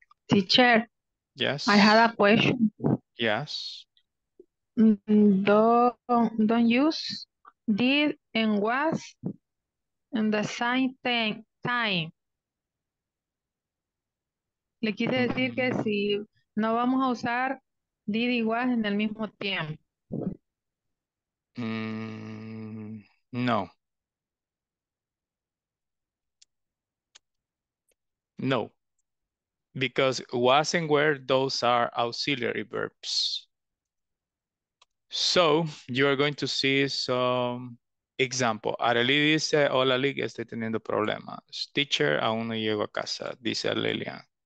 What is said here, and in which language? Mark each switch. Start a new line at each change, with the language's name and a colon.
English: Teacher. Yes. I had a question. Yes. Don't use did and was in the same thing, time.
Spanish: Le quise decir que si no vamos a usar did y was en el mismo tiempo.
English: No. No. Because was and were, those are auxiliary verbs. So you are going to see some example.
Spanish: Arely dice, hola Lili, estoy teniendo problemas. Teacher, aún no llego a casa, dice Lilian.